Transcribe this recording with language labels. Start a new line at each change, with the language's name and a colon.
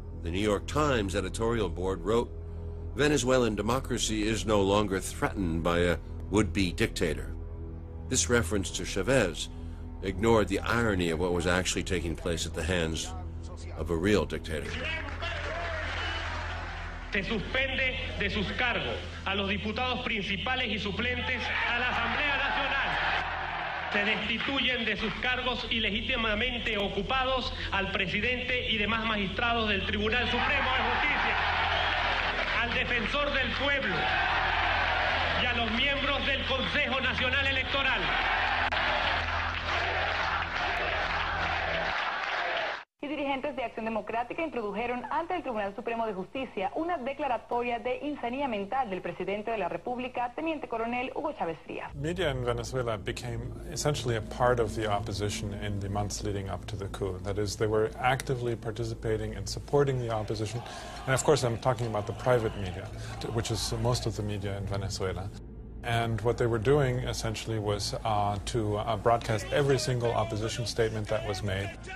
English: The New York Times editorial board wrote, Venezuelan democracy is no longer threatened by a would-be dictator. This reference to Chavez ignored the irony of what was actually taking place at the hands of a real dictator.
Spanish: Se suspende de sus cargos a los diputados principales y suplentes a la Asamblea Nacional. Se destituyen de sus cargos ilegítimamente ocupados al presidente y demás magistrados del Tribunal Supremo de Justicia, al defensor del pueblo y a los miembros del Consejo Nacional Electoral. Y dirigentes de Acción Democrática introdujeron ante el Tribunal Supremo de Justicia una declaratoria de insanía mental del presidente de la República, Teniente Coronel Hugo Chavez Frías.
English: Media in Venezuela became essentially a part of the opposition in the months leading up to the coup. That is, they were actively participating and supporting the opposition. And of course, I'm talking about the private media, which is most of the media in Venezuela. And what they were doing essentially was to broadcast every single opposition statement that was made.